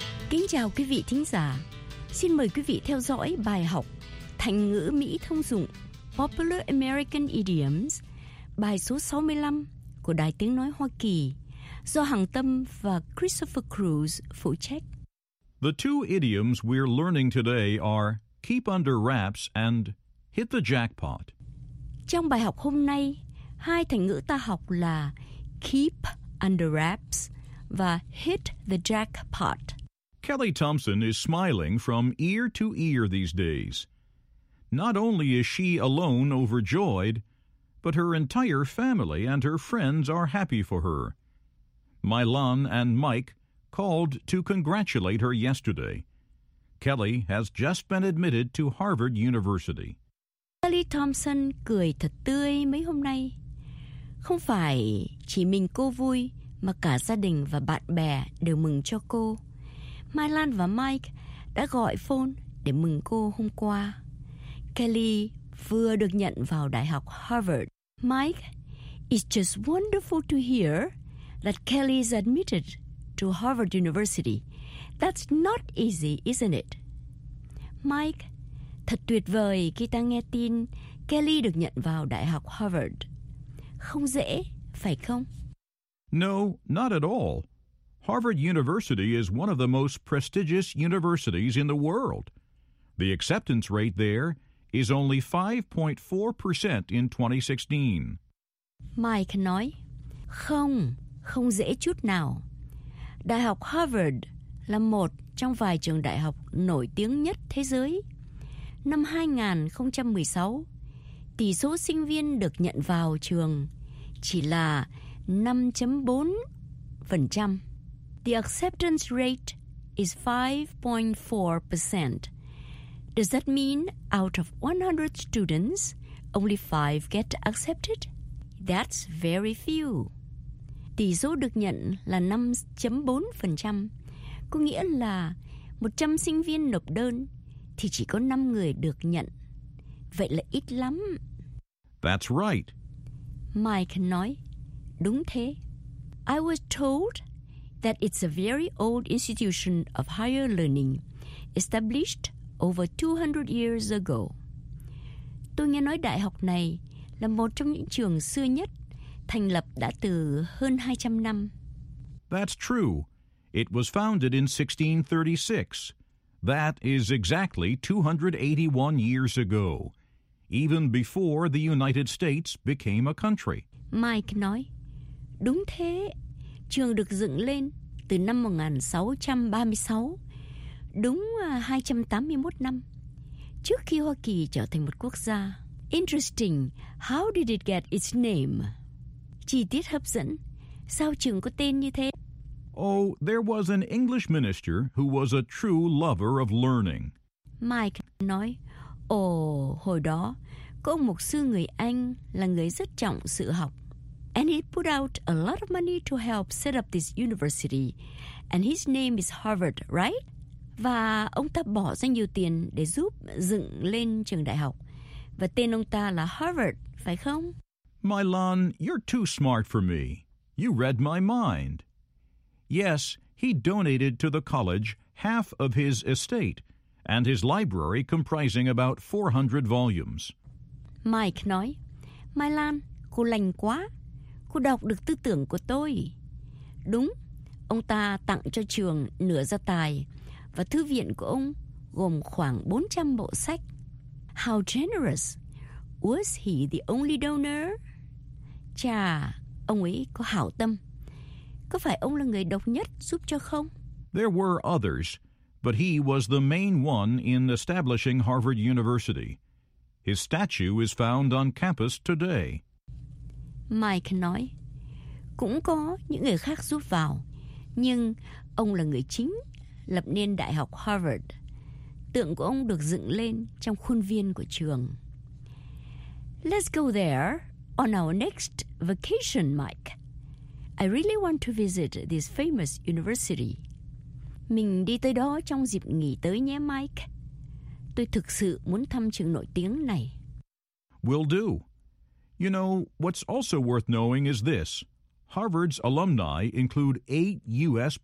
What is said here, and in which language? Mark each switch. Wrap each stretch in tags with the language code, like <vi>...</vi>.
<vi>Kính chào quý vị thính giả. Xin mời quý vị theo dõi bài học Thành ngữ Mỹ thông dụng</vi> <en>Popular American Idioms,</en> <vi>bài số 65 của Đài Tiếng Nói Hoa Kỳ, do Hằng Tâm và Christopher Cruz phụ trách.</vi> <en>The two idioms we're learning today are keep under wraps and hit the jackpot.</en> <vi>Trong bài học hôm nay, hai thành ngữ ta học là</vi> <en>keep under wraps</en> <vi>và</vi> <en>hit the jackpot. Kelly Thompson is smiling from ear to ear these days. Not only is she alone overjoyed, but her entire family and her friends are happy for her. Mylon and Mike called to congratulate her yesterday. Kelly has just been admitted to Harvard University.</en> <vi>Kelly Thompson cười thật tươi mấy hôm nay. Không phải chỉ mình cô vui, mà cả gia đình và bạn bè đều mừng cho cô. Mylon và Mike đã gọi phone để mừng cô hôm qua. Kelly vừa được nhận vào Đại học Harvard.</vi> <en>Mike, it's just wonderful to hear that Kelly is admitted to Harvard University. That's not easy, isn't it?</en> <vi>Mike, thật tuyệt vời khi ta nghe tin Kelly được nhận vào Đại học Harvard. Không dễ, phải không?</vi> <en>No, not at all. Harvard University is one of the most prestigious universities in the world. The acceptance rate there is only 5.4% in 2016.</en> <vi>Mike nói, không, không dễ chút nào. Đại học Harvard là một trong vài trường đại học nổi tiếng nhất thế giới. Năm 2016, tỷ số sinh viên được nhận vào trường chỉ là 5.4%.</vi> <en>The acceptance rate is 5.4%. Does that mean out of 100 students, only 5 get accepted? That's very few.</en> <vi>Tỷ số được nhận là 5.4%, có nghĩa là 100 sinh viên nộp đơn thì chỉ có 5 người được nhận. Vậy là ít lắm.</vi> <en>That's right.</en> <vi>Mike nói, đúng thế.</vi> <en>I was told that it's a very old institution of higher learning, established over 200 years ago.</en> <vi>Tôi nghe nói đại học này là một trong những trường xưa nhất, thành lập đã từ hơn 200 năm.</vi> <en>That's true. It was founded in 1636. That is exactly 281 years ago, even before the United States became a country.</en> <vi>Mike nói, đúng thế. Trường được dựng lên từ năm 1636, đúng 281 năm, trước khi Hoa Kỳ trở thành một quốc gia.</vi> <en>Interesting, how did it get its name?</en> <vi>Chi tiết hấp dẫn, sao trường có tên như thế?</vi> <en>Oh, there was an English minister who was a true lover of learning.</en> <vi>Mike nói, Ồ, hồi đó, có ông mục sư người Anh là người rất trọng sự học.</vi> <en>And he put out a lot of money to help set up this university. And his name is Harvard, right?</en> <vi>Và ông ta bỏ ra nhiều tiền để giúp dựng lên trường đại học. Và tên ông ta là Harvard, phải không?</vi> <en>Mylon, you're too smart for me. You read my mind. Yes, he donated to the college half of his estate and his library comprising about 400 volumes.</en> <vi>Mike nói, Mylon, cô lành quá. Cô đọc được tư tưởng của tôi. Đúng, ông ta tặng cho trường nửa gia tài và thư viện của ông gồm khoảng 400 bộ sách.</vi> <en>How generous! Was he the only donor?</en> <vi>Chà, ông ấy có hảo tâm. Có phải ông là người độc nhất giúp cho không?</vi> <en>There were others, but he was the main one in establishing Harvard University. His statue is found on campus today.</en> <vi>Mike nói, cũng có những người khác giúp vào, nhưng ông là người chính lập nên Đại học Harvard. Tượng của ông được dựng lên trong khuôn viên của trường.</vi> <en>Let's go there on our next vacation, Mike. I really want to visit this famous university.</en> <vi>Mình đi tới đó trong dịp nghỉ tới nhé, Mike. Tôi thực sự muốn thăm trường nổi tiếng này.</vi> <en>Will do. You know, what's also worth knowing is this. Harvard's alumni include 8 U.S.</en>